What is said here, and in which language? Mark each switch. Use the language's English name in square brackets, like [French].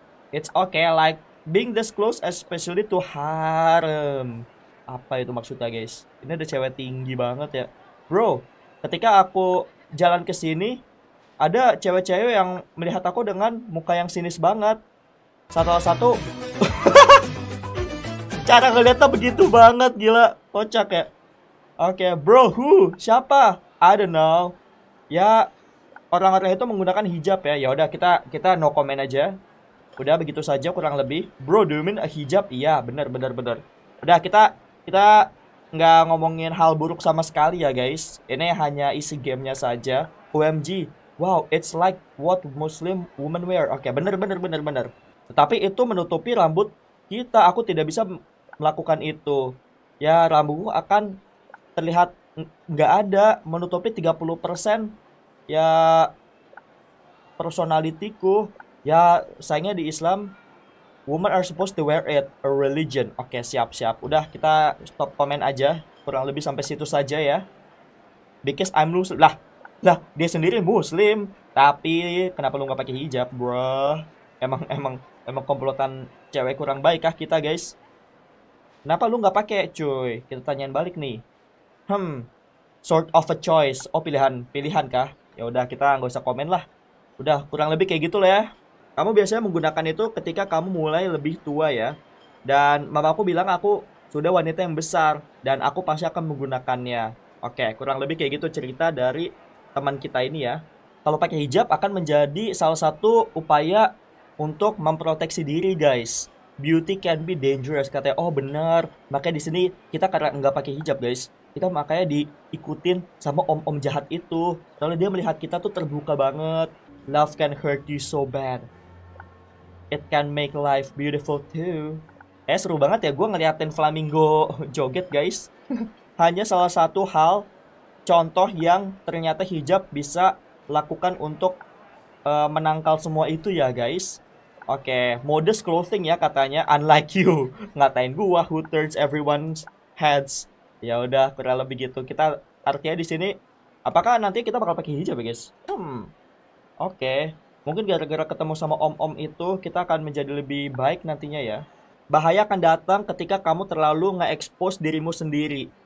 [English] It's okay, like being this close especially to harem. [Indonesian] Apa itu maksudnya, guys? Ini ada cewek tinggi banget ya. Bro, ketika aku jalan ke sini, ada cewek-cewek yang melihat aku dengan muka yang sinis banget. Satu-satu. Cara ngeliatnya begitu banget, gila. Kocak ya. [English] Oke, bro, who? [Indonesian] Siapa? [English] I don't know. [Indonesian] Ya, orang-orang itu menggunakan hijab ya. Ya udah kita no comment aja. Udah begitu saja kurang lebih. [English] Bro, do you mean a hijab? [Indonesian] Iya, benar. Udah kita nggak ngomongin hal buruk sama sekali ya, guys. Ini hanya isi gamenya saja. OMG. [English] Wow, it's like what Muslim women wear. [Indonesian] Oke, benar. Tetapi itu menutupi rambut kita. Aku tidak bisa melakukan itu. Ya, rambutku akan terlihat nggak ada, menutupi 30% ya personalitiku. Ya, sayangnya di [English] Islam women are supposed to wear it, a religion. [Indonesian] Oke, siap. Udah, kita stop komen aja. Kurang lebih sampai situ saja ya. [English] Because I'm Muslim. [Indonesian] Lah, dia sendiri Muslim, tapi kenapa lu nggak pakai hijab, bro? Emang komplotan cewek kurang baik kah kita, guys? Kenapa lu nggak pakai, cuy? Kita tanyain balik nih. [English] Sort of a choice. [Indonesian] Oh, pilihan kah? Ya udah, kita nggak usah komen lah. Udah, kurang lebih kayak gitu lah ya. Kamu biasanya menggunakan itu ketika kamu mulai lebih tua ya. Dan mamaku bilang aku sudah wanita yang besar dan aku pasti akan menggunakannya. Oke, kurang lebih kayak gitu cerita dari teman kita ini ya. Kalau pakai hijab akan menjadi salah satu upaya untuk memproteksi diri, guys. [English] Beauty can be dangerous, [Indonesian] katanya. Oh, benar. Makanya di sini kita karena nggak pakai hijab, guys. Kita makanya diikutin sama om-om jahat itu. Soalnya dia melihat kita tuh terbuka banget. [English] Love can hurt you so bad. It can make life beautiful too. [Indonesian] Seru banget ya gue ngeliatin flamingo joget, guys. Hanya salah satu hal contoh yang ternyata hijab bisa lakukan untuk menangkal semua itu ya, guys. Oke, modest clothing ya katanya. [English] Unlike you. [Indonesian] Ngatain gue [English] who turns everyone's heads. [Indonesian] Ya udah, kurang lebih gitu. Kita artinya di sini, apakah nanti kita bakal pakai hijab ya, guys? Oke. Mungkin gara-gara ketemu sama om-om itu, kita akan menjadi lebih baik nantinya ya. Bahaya akan datang ketika kamu terlalu nge-expose dirimu sendiri.